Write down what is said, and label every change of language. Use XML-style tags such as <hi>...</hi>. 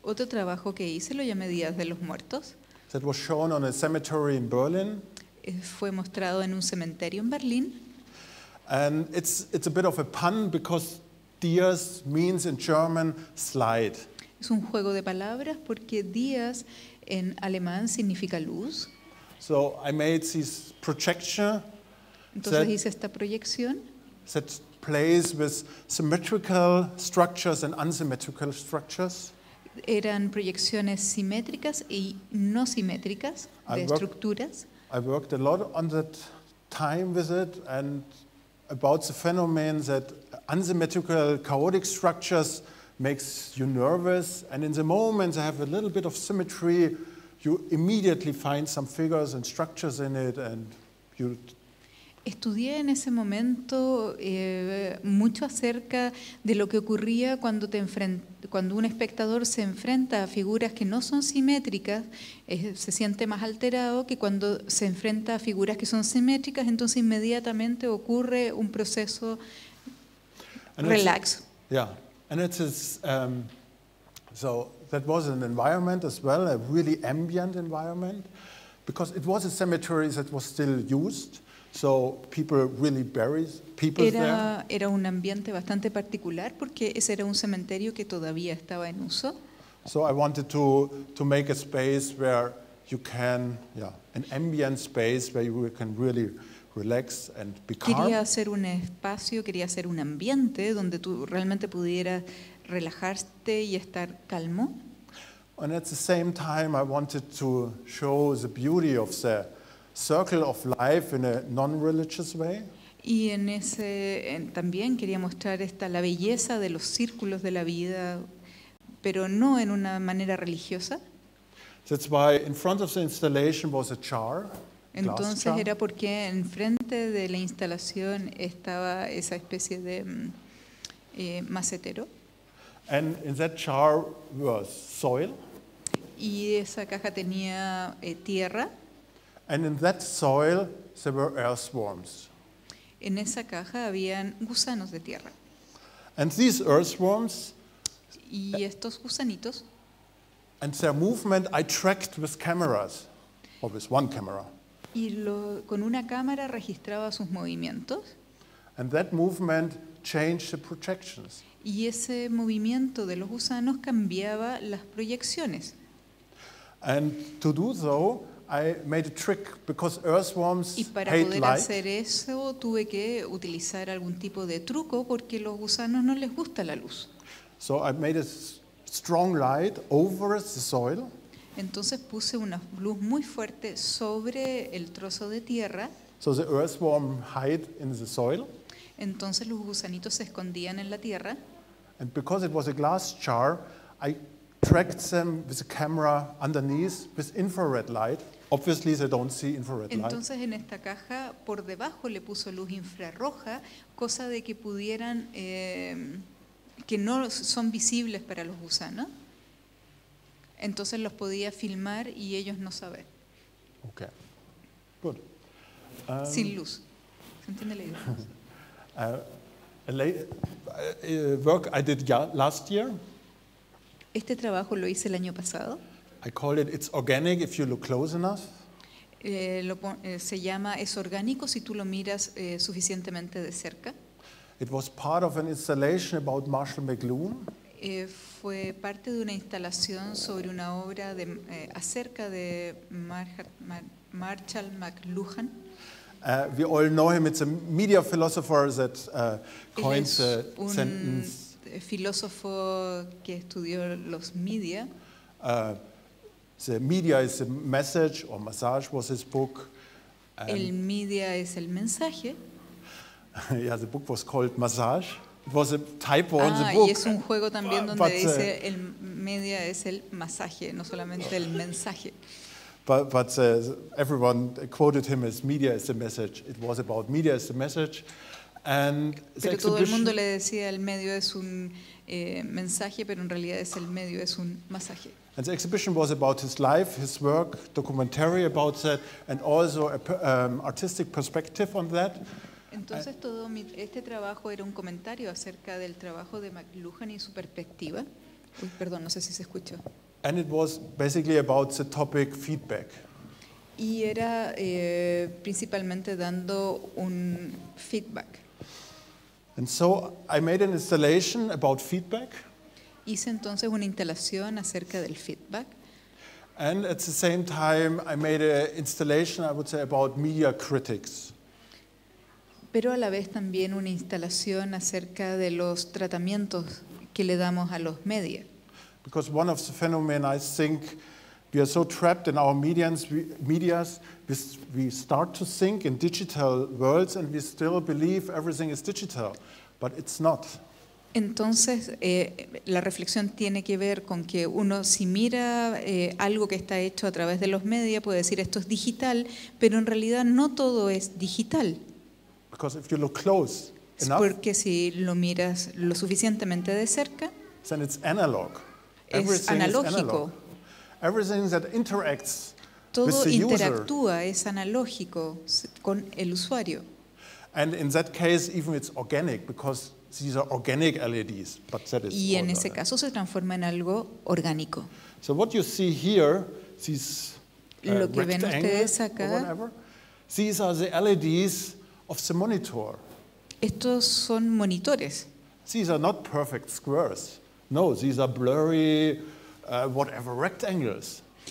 <es>Otro trabajo que hice lo llamé Días de los Muertos.</es> <en>That was shown on a cemetery in Berlin.</en> <es>Fue mostrado en un cementerio en Berlín.</es> <en>And it's a bit of a pun because Dias means in German slide.</en> <es>Es un juego de palabras porque Dias en alemán significa luz.</es> <en>So I made this projection.</en> <es>Entonces hice esta proyección.</es> <en>That plays with symmetrical structures and unsymmetrical structures.</en> <es>Eran proyecciones simétricas y no simétricas de estructuras.</es> <en>I worked a lot on that time with it and about the phenomenon that unsymmetrical chaotic structures makes you nervous, and in the moment they have a little bit of symmetry, you immediately find some figures and structures in it, and you.</en> <es>Estudié en ese momento mucho acerca de lo que ocurría cuando te cuando un espectador se enfrenta a figuras que no son simétricas, se siente más alterado que cuando se enfrenta a figuras que son simétricas, entonces inmediatamente ocurre un proceso relax.</es> <en>And it is so that was an environment as well, a really ambient environment, because it was a cemetery that was still used. So people really buried people</en> <es>era,</es> <en>there.</en> <es>Era un ambiente bastante particular porque ese era un cementerio que todavía estaba en uso.</es> <en>So I wanted to make a space where you can, yeah, an ambient space where you can really relax and be calm.</en> <es>Quería hacer un espacio, quería hacer un ambiente donde tú realmente pudieras relajarte y estar calmo.</es> <en>And at the same time, I wanted to show the beauty of the circle of life in a non-religious way.</en> <es>Y en ese también quería mostrar esta la belleza de los círculos de la vida, pero no en una manera religiosa.</es> <en>That's why in front of the installation was a jar.</en> <es>Entonces</es> <en>glass jar.</en> <es>Era porque enfrente de la instalación estaba esa especie de macetero.</es> <en>And in that jar was soil.</en> <es>Y esa caja tenía tierra.</es> <en>And in that soil, there were earthworms.</en> <es>En esa caja habían gusanos de tierra.</es> <en>And these earthworms.</en> <es>Y estos gusanitos.</es> <en>And their movement, I tracked with cameras, or with one camera.</en> <es>Y lo, con una cámara registraba sus movimientos.</es> <en>And that movement changed the projections.</en> <es>Y ese movimiento de los gusanos cambiaba las proyecciones.</es> <en>And to do so, I made a trick because earthworms</en> <es>y para</es> <en>hate</en> <es>poder</es> <en>light.</en> <es>Hacer eso tuve que utilizar algún tipo de truco porque los gusanos no les gusta la luz.</es> <en>So I made a strong light over the soil.</en> <es>Entonces puse una luz muy fuerte sobre el trozo de tierra.</es> <en>So the earthworm hide in the soil.</en> <es>Entonces los gusanitos se escondían en la tierra.</es> <en>And because it was a glass jar, I tracked them with a camera underneath with infrared light. Obviously, they don't see infrared light.</en> <es>Entonces, en esta caja por debajo le puso luz infrarroja, cosa de que pudieran que no son visibles para los gusanos. Entonces los podía filmar y ellos no saber.</es> <en>Okay. Good.</en> <es>Sin luz. ¿Se entiende la idea?</es> <en>Work I did last year.</en> <es>Este trabajo lo hice el año pasado.</es> <en>I call it it's organic if you look close enough.</en> <es>Se llama es orgánico si tú lo miras suficientemente de cerca.</es> <en>It was part of an installation about Marshall McLuhan.</en> <es>Fue parte de una instalación sobre una obra de acerca de Marshall McLuhan.</es> <en>We all know him. It's a media philosopher that coins the sentence.</en> <es>Filósofo que estudió los media.</es> <en>The media is a message, or massage was his book.</en> <es>El media es el mensaje.</es> <en>Yeah, the book was called Massage. It was a typo on the book.</en> <es>Y es un juego también donde</es> <en>but,</en> <es>dice el media es el masaje, no solamente el mensaje.</es> <en>But everyone quoted him as media is the message. It was about media is the message. And</en> <es>pero todo el mundo le decía el medio es un mensaje, pero en realidad es el medio es un masaje.</es> <en>And the exhibition was about his life, his work, documentary about that, and also an artistic perspective on that.</en> <es>Entonces todo mi, este trabajo era un comentario acerca del trabajo de McLuhan y su perspectiva. Uy, perdón, no sé si se escuchó.</es> <en>And it was basically about the topic feedback.</en> <es>Y era principalmente dando un feedback.</es> <en>And so I made an installation about feedback.</en> <es>Hice entonces una instalación acerca del feedback.</es> <en>And at the same time, I made an installation, I would say, about media critics.</en> <es>Pero a la vez también una instalación acerca de los tratamientos que le damos a los media.</es> <en>Because one of the phenomena, I think, we are so trapped in our medias, we start to think in digital worlds and we still believe everything is digital, but it's not.</en> <es>Entonces, la reflexión tiene que ver con que uno, si mira algo que está hecho a través de los medios, puede decir esto es digital, pero en realidad no todo es digital.</es> <en>Because if you look close enough,</en> <es>porque si lo miras lo suficientemente de cerca,</es> <en>then it's analog.</en> <es>Es analógico.</es> <en>Everything that interacts</en> <es>todo</es> <en>with the</en> <es>interactúa,</es> <en>user.</en> <es>Es analógico con el usuario.</es> <en>And in that case, even it's organic, because these are organic LEDs, but that is.</en> <es>Y en ese caso se transforma en algo orgánico.</es> <en>So what you see here, these</en> <es>lo que ven ustedes acá,</es> <en>these are the LEDs of the monitor.</en> <es>Estos son monitores.</es> <en>These are not perfect squares. No, these are blurry, whatever rectangles.</en>